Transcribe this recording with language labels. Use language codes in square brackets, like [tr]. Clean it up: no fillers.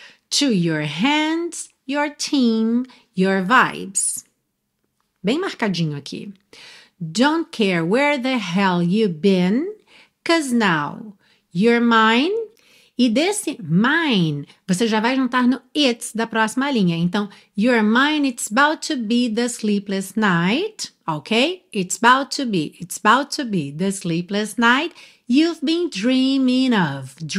[en] To your hands, your team, your vibes. [pt] Bem marcadinho aqui. [en] Don't care where the hell you've been, 'cause now you're mine. [pt] E desse mine, você já vai juntar no it's da próxima linha. [en] Então, you're mine, it's about to be the sleepless night. Ok? It's about to be the sleepless night you've been dreaming of.